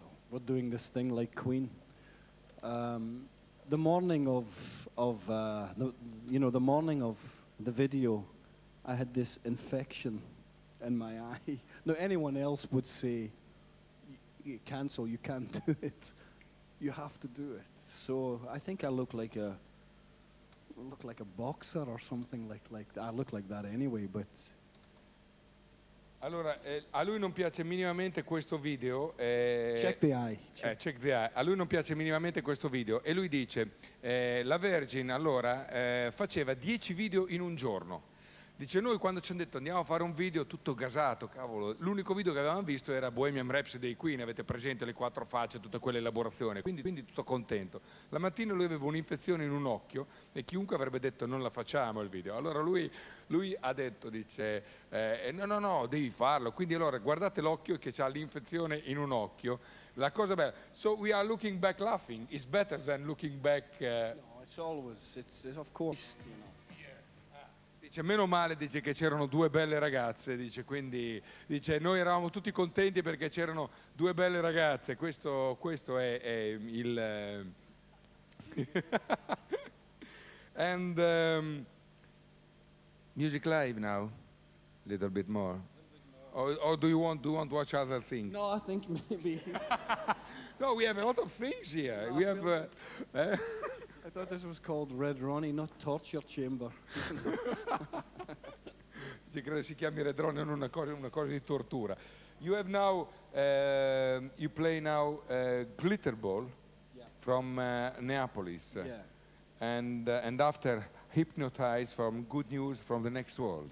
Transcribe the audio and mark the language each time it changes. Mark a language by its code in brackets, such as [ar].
[en] We're doing this thing like Queen. The morning the morning of the video, I had this infection in my eye. Now anyone else would say, cancel, you can't do it. You have to do it. So I think I look like a boxer or something like that. I look like that anyway, but [it] Allora, a lui non piace minimamente questo video. [en] Check the eye. [it] A lui non piace minimamente questo video. E lui dice, la Virgin allora faceva 10 video in un giorno. Dice, noi quando ci hanno detto andiamo a fare un video tutto gasato, cavolo, l'unico video che avevamo visto era Bohemian Rhapsody dei Queen, avete presente le quattro facce, tutta quell'elaborazione, quindi tutto contento. La mattina lui aveva un'infezione in un occhio e chiunque avrebbe detto non la facciamo il video. Allora lui ha detto, dice, no, devi farlo. Quindi allora guardate l'occhio che ha l'infezione in un occhio. La cosa bella, [en] so we are looking back laughing, it's better than looking back. No, it's always, it's of course, you know. [it] Dice, meno male, dice, che c'erano due belle ragazze, dice, quindi, dice, noi eravamo tutti contenti perché c'erano due belle ragazze, questo è il... [en] And music live now, a little bit more, or do you want to watch other things? No, I think maybe... No, we have a lot of things here, no, we have... I thought this was called Red Ronnie, not Torture Chamber. [it] Ci credo si chiami Red Ronnie, non una cosa di tortura. [en] You have now, you play now Glitter Ball, yeah, from Neapolis, yeah, and after Hypnotize from Good News from the Next World.